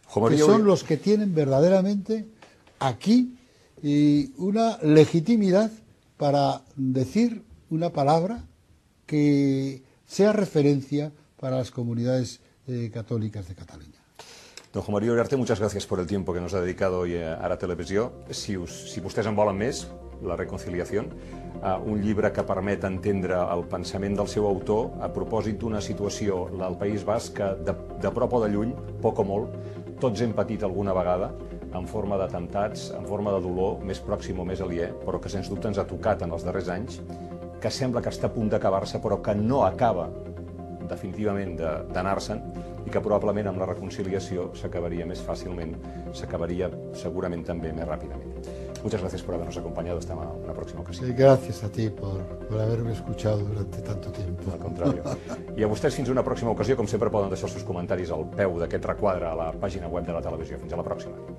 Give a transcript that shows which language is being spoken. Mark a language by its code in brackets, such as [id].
[es] Que son los que tienen verdaderamente aquí y una legitimidad para decir una palabra que sea referencia para las comunidades católicas de Cataluña. Don Juan María Uriarte, muchas gracias por el tiempo que nos ha dedicado hoy a la televisión. [ca] Si vostès en volen més, la reconciliació, un llibre que permet entendre el pensament del seu autor a propòsit d'una situació, la del País Basc, que de prop o de lluny, poc o molt, tots hem patit alguna vegada en forma d'atemptats, en forma de dolor, més pròxim o més aliè, però que sens dubte ens ha tocat en els darrers anys, que sembla que està a punt d'acabar-se, però que no acaba definitivament d'anar-se'n i que probablement amb la reconciliació s'acabaria més fàcilment, s'acabaria segurament també més ràpidament. [es] Muchas gracias por habernos acompañado. Hasta una próxima ocasión. Gracias a ti por haberme escuchado durante tanto tiempo. Al contrario. [ca] I a vostès, fins una pròxima ocasió. Com sempre, poden deixar els seus comentaris al peu d'aquest requadre a la pàgina web de la televisió. Fins a la pròxima.